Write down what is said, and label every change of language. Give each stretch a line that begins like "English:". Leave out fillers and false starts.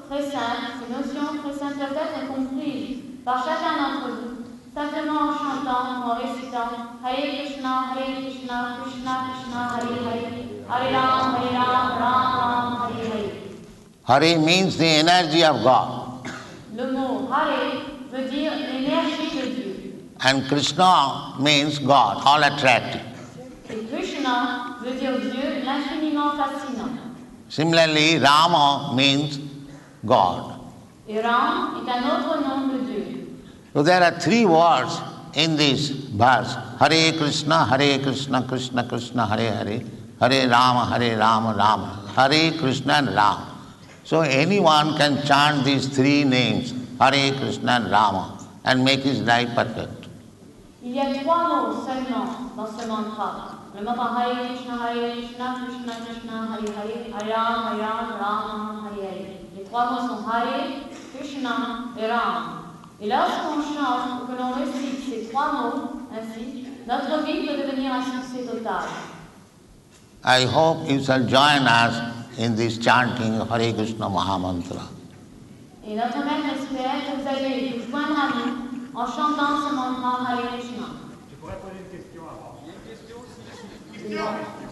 French: très sainte, ces notions très simples peuvent être comprises par chacun d'entre vous, simplement en chantant ou en récitant Hare Krishna, Hare Krishna, Krishna Krishna, Hare Hare, Hare Rama, Hare Rama, Rama Rama, Hare Hare.
English: Hare means the energy of God.
French: Le mot Hare veut dire l'énergie de Dieu.
English: And Krishna means God, all attractive.
French: Et Krishna veut dire Dieu, l'infiniment fascinant.
English: Similarly, Rama means God.
French: Et Ram est un autre nom de Dieu.
English: So there are three words in this verse. Hare Krishna, Hare Krishna, Krishna Krishna, Hare Hare. Hare Rama, Hare Rama, Rama. Hare Krishna and Rama. So anyone can chant these three names, Hare Krishna and Rama, and make his life perfect.
French: Il y a trois mots seulement dans ce mantra. Le mantra Hare Krishna, Hare Krishna, Krishna Krishna, Hare Hare, Hare Rama, Hare Rama, Rama, Hare Hare. Les trois mots sont Hare, Krishna et Rama. Et lorsqu'on chante ou que l'on récite ces trois mots ainsi, notre vie peut devenir un succès total.
English: I hope you shall join us in this chanting of Hare Krishna Maha Mantra.
French: Et notre mère espère que vous allez vous joindre à nous en chantant ce mantra Hare Krishna. Je pourrais poser une question avant. Il y a une question aussi.